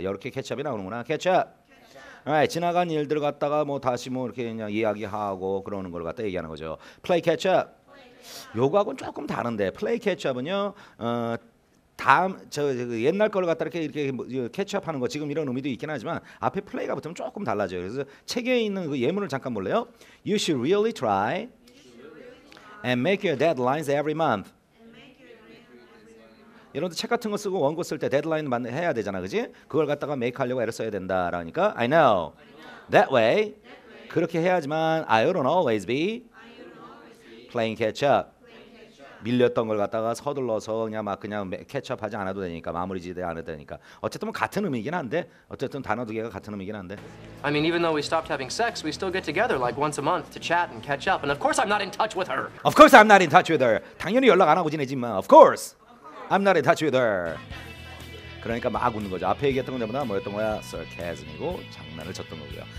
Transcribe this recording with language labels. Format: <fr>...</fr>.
<ko>이렇게 캐치업이 나오는구나. 캐치업. 알라이트. 지나간 일들 갖다가 뭐 다시 뭐 이렇게 그냥 이야기하고 그러는 걸 갖다 얘기하는 거죠. 플레이 캐치업. 요거하고는 조금 다른데 플레이 캐치업은요. 다음 저 옛날 걸 갖다 이렇게 캐치업하는 거 지금 이런 의미도 있긴 하지만 앞에 플레이가 붙으면 조금 달라져요. 그래서 책에 있는 그 예문을 잠깐 볼래요?</ko> <en>You should really try and make your deadlines every month.</en> <ko>여러분들 책 같은 거 쓰고 원고 쓸 때 데드라인 해야 되잖아, 그지? 그걸 갖다가 make 하려고 애를 써야 된다, 라니까</ko> <en>I know. I know. That way. That way.</en> <ko>그렇게 해야지만</ko> <en>I don't always be, I don't always be playing catch up. Playing catch up.</en> <ko>밀렸던 걸 갖다가 서둘러서 그냥 막 그냥 catch up 하지 않아도 되니까 마무리 지대 안 해도 되니까 어쨌든 뭐 같은 의미긴 한데 어쨌든 단어 두 개가 같은 의미긴 한데.</ko> <en>I mean, even though we stopped having sex, we still get together like once a month to chat and catch up. And of course, I'm not in touch with her. Of course, I'm not in touch with her.</en> <ko>당연히 연락 안 하고 지내지만</ko> <en>of course. I'm not in touch with her.</en> <ko>그러니까 막 웃는 거죠. 앞에 얘기했던 건 전부 다 뭐였던 거야? 사카즘이고 장난을 쳤던 거고요.</ko>